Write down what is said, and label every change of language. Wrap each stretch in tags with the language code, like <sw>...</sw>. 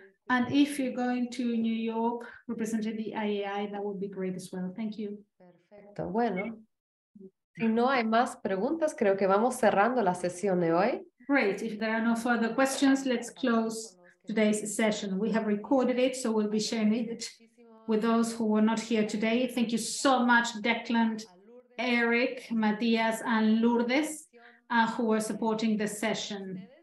<en>And if you're going to New York representing the IAI, that would be great as well. Thank you.</en> <es>Perfecto. Bueno, si no hay más preguntas, creo que vamos cerrando la sesión de hoy.</es> <en>Great. If there are no further questions, let's close today's session. We have recorded it, so we'll be sharing it with those who were not here today. Thank you so much, Declan, Eric, Matias, and Lourdes, who are supporting the session.</en>